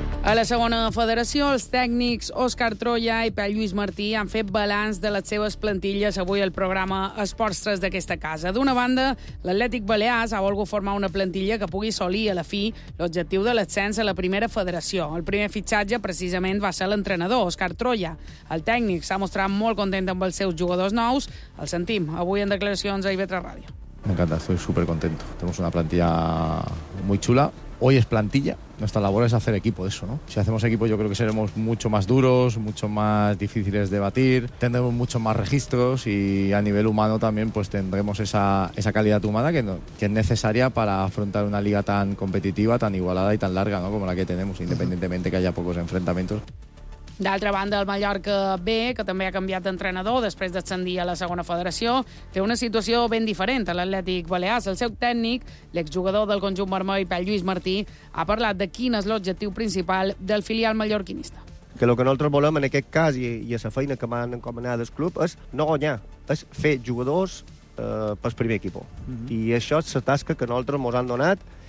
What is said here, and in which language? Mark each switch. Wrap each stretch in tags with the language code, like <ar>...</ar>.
<ca>A la segona federació, els tècnics Òscar Troya i Pep Lluís Martí han fet balanç de les seves plantilles avui al programa Esports 3 d'aquesta casa. D'una banda, l'Atlètic Balears ha volgut formar una plantilla que pugui assolir a la fi l'objectiu de l'ascens a la primera federació. El primer fitxatge, precisament, va ser l'entrenador, Òscar Troya. El tècnic s'ha mostrat molt content amb els seus jugadors nous. El sentim avui en declaracions a IB3 Ràdio. M'encanta,</ca> <es>estoy súper contento. Tenemos una plantilla muy chula. Hoy es plantilla. Nuestra labor es hacer equipo, eso, ¿no? Si hacemos equipo, yo creo que seremos mucho más duros, mucho más difíciles de batir, tendremos mucho más registros y a nivel humano también pues tendremos esa calidad humana que es necesaria para afrontar una liga tan competitiva, tan igualada y tan larga, ¿no? Como la que tenemos, independientemente que haya pocos enfrentamientos.</es> <ca>D'altra banda, el Mallorca B, que també ha canviat d'entrenador després d'ascendir a la segona federació, té una situació ben diferent a l'Atlètic Balears. El seu tècnic, l'exjugador del conjunt vermell, Pep Lluís Martí, ha parlat de quin és l'objectiu principal del filial mallorquinista. Que el que nosaltres volem en aquest cas i a la feina que m'han encomanat el club és no guanyar, és fer jugadors pel primer equip. Uh-huh. I això és la tasca que nosaltres ens han donat</ca>